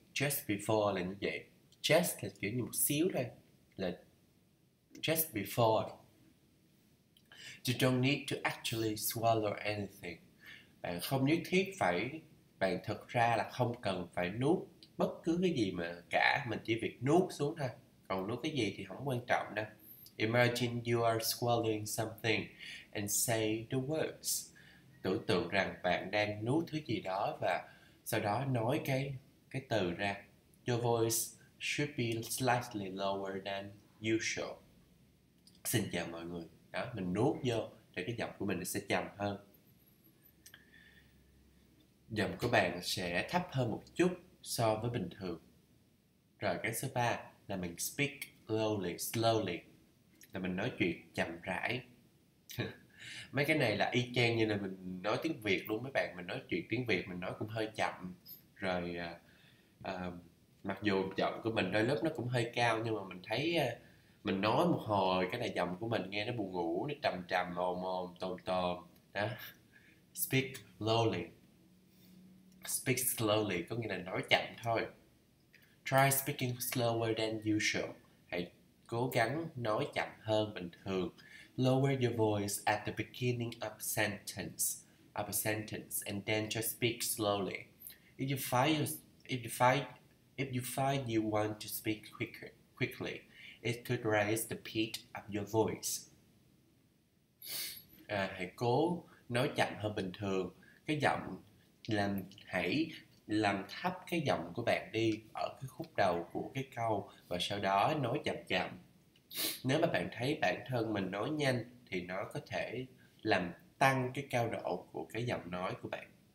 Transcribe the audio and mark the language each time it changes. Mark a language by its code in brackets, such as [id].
[en] Just before [vi] là như vậy. Just là kiểu như một xíu thôi, là just before. [en] You don't need to actually swallow anything. [vi] Bạn không nhất thiết phải, bạn thực ra là không cần phải nuốt bất cứ cái gì mà cả, mình chỉ việc nuốt xuống thôi. Còn nuốt cái gì thì không quan trọng đâu. [en] Imagine you are swallowing something and say the words. [vi] Tưởng tượng rằng bạn đang nuốt thứ gì đó và sau đó nói cái từ ra. [en] Your voice should be slightly lower than usual. [vi] Xin chào mọi người. Đó, mình nuốt vô để cái giọng của mình sẽ trầm hơn. Giọng của bạn sẽ thấp hơn một chút so với bình thường. Rồi cái số 3 là mình [en] speak slowly. [vi] Là mình nói chuyện chậm rãi. Mấy cái này là y chang như là mình nói tiếng Việt luôn mấy bạn. Mình nói chuyện tiếng Việt mình nói cũng hơi chậm. Rồi mặc dù giọng của mình đôi lúc nó cũng hơi cao, nhưng mà mình thấy mình nói một hồi cái này giọng của mình nghe nó buồn ngủ, nó trầm trầm, ồm ồm, tồm tồm đó. [en] Speak slowly [vi] có nghĩa là nói chậm thôi. [en] Try speaking slower than usual. [vi] Hãy cố gắng nói chậm hơn bình thường. [en] Lower your voice at the beginning of a sentence and then just speak slowly. If you find you want to speak quickly, it could raise the pitch of your voice. [vi] Hãy cố nói chậm hơn bình thường. Cái giọng làm, hãy làm thấp cái giọng của bạn đi ở cái khúc đầu của cái câu và sau đó nói chậm chậm. Nếu mà bạn thấy bản thân mình nói nhanh thì nó có thể làm tăng cái cao độ của cái giọng nói của bạn.